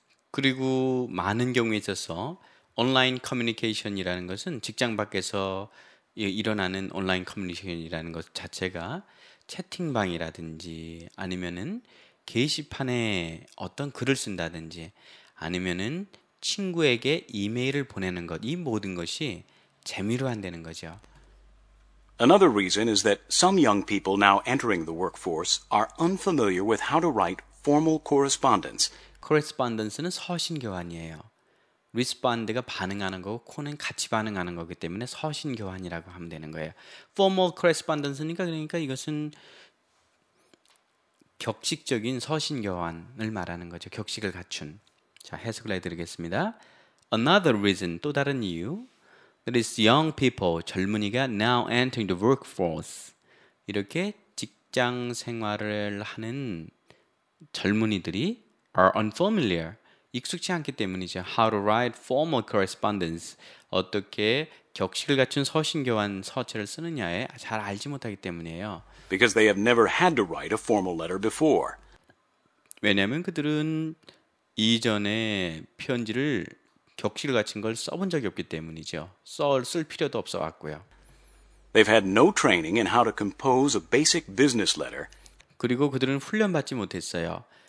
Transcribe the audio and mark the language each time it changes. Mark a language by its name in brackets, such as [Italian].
[Korean] 그리고 많은 경우에 있어서 온라인 커뮤니케이션이라는 것은 직장 밖에서 일어나는 온라인 커뮤니케이션이라는 것 자체가 채팅방이라든지 아니면은 게시판에 어떤 글을 쓴다든지 아니면은 친구에게 이메일을 보내는 것, 이 모든 것이 재미로 한다는 거죠. [English] Another reason is that some young people now entering the workforce are unfamiliar with how to write formal correspondence. [Korean] Correspondence는 서신 교환이에요. Respond가 반응하는 거고, 코는 같이 반응하는 거기 때문에 서신 교환이라고 하면 되는 거예요. Formal correspondence니까 그러니까 이것은 격식적인 서신 교환을 말하는 거죠. 격식을 갖춘. 자, 해석을 해드리겠습니다. [English] Another reason, [Korean] 또 다른 이유. [English] That is young people, [Korean] 젊은이가 [English] now entering the workforce. [Korean] 이렇게 직장 생활을 하는 젊은이들이 [English] are unfamiliar, [Korean] 익숙치 않기 때문이죠. [English] How to write formal correspondence. [Korean] 어떻게 격식을 갖춘 서신 교환 서체를 쓰느냐에 잘 알지 못하기 때문이에요. [English] Because they have never had to write a formal letter before. [Korean] 왜냐하면 그들은 이전에 편지를 격식을 갖춘 걸 써본 적이 없기 때문이죠. 쓸 필요도 없어왔고요. [English] They've had no training in how to compose a basic business letter. [Korean] 그리고 그들은 훈련받지 못했어요.